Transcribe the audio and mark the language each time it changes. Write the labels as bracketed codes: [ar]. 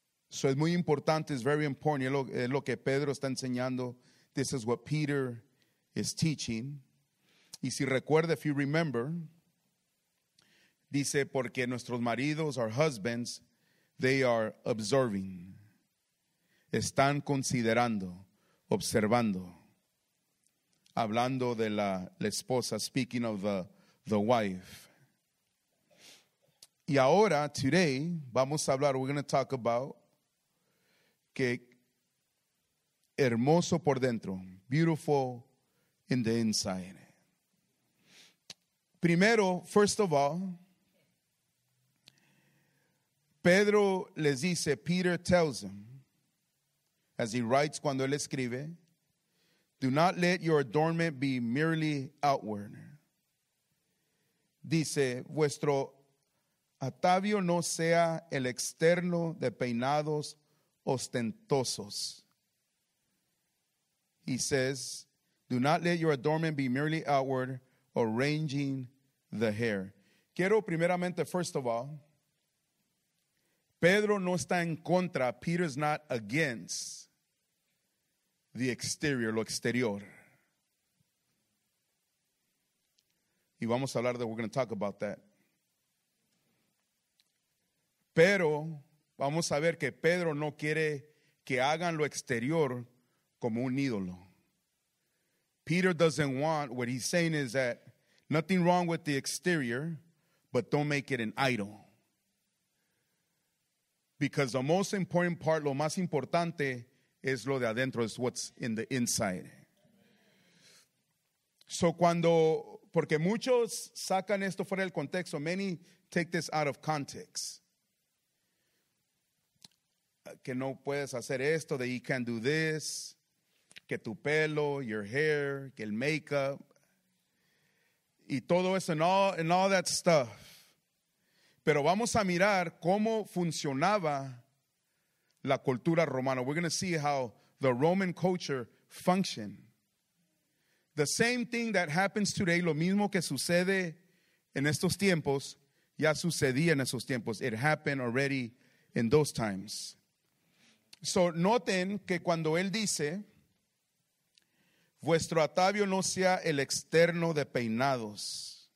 [es] So es muy importante, [en] it's very important, [es] es lo que Pedro está enseñando. [en] This is what Peter is teaching. [es] Y si recuerda, [en] if you remember, [es] dice, porque nuestros maridos, [en] our husbands, they are observing. [es] Están considerando, observando, hablando de la esposa, [en] speaking of the wife. [es] Y ahora, [en] today, [es] vamos a hablar, [en] we're going to talk about, [es] que hermoso por dentro, [en] beautiful in the inside. [es] Primero, [en] first of all, [es] Pedro les dice, [en] Peter tells them, as he writes, [es] cuando él escribe, [en] do not let your adornment be merely outward. [es] Dice, vuestro atavio no sea el externo de peinados ostentosos. [en] He says, do not let your adornment be merely outward, arranging the hair. [es] Quiero primeramente, [en] first of all, [es] Pedro no está en contra, [en] Peter's not against the exterior, [es] lo exterior. Y vamos a hablar de, [en] we're going to talk about that. [es] Pero vamos a ver que Pedro no quiere que hagan lo exterior como un ídolo. [en] Peter doesn't want, what he's saying is that nothing wrong with the exterior, but don't make it an idol. Because the most important part, [es] lo más importante, es lo de adentro, [en] is what's in the inside. [es] So cuando, porque muchos sacan esto fuera del contexto, [en] many take this out of context. [es] Que no puedes hacer esto, [en] that you can't do this, [es] que tu pelo, [en] your hair, [es] que el makeup, y todo eso, [en] and all that stuff. [es] Pero vamos a mirar cómo funcionaba la cultura romana. [en] We're going to see how the Roman culture functioned. The same thing that happens today, [es] lo mismo que sucede en estos tiempos, ya sucedía en esos tiempos. [en] It happened already in those times. [es] So noten que cuando él dice, vuestro atavio no sea el externo de peinados.